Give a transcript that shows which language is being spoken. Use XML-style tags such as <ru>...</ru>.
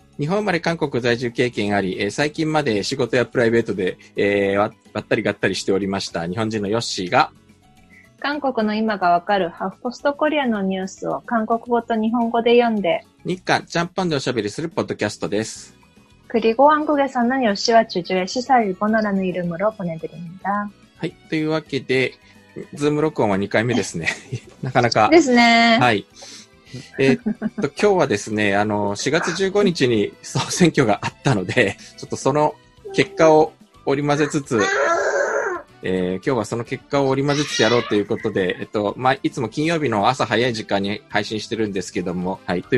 <ja>日本生まれ韓国在住経験あり、最近まで仕事やプライベートで、わったりがったりしておりました日本人のヨッシーが、韓国の今がわかるハフポストコリアのニュースを韓国語と日本語で読んで、日韓ちゃんぽんでおしゃべりするポッドキャストです。</ja> <ko>그리고한국에서는요시와주주의시사일본어라는이름으로보내드립니다。</ko> <ja>はい、というわけで、ズーム録音は2回目ですね。なかなか。ですね。はい。今日はですね、4月15日に総選挙があったので、ちょっとその結果を織り交ぜつつ、今日はその結果を織り交ぜつつやろうということで、まあ、いつも金曜日の朝早い時間に配信してるんですけども、はい。</ja>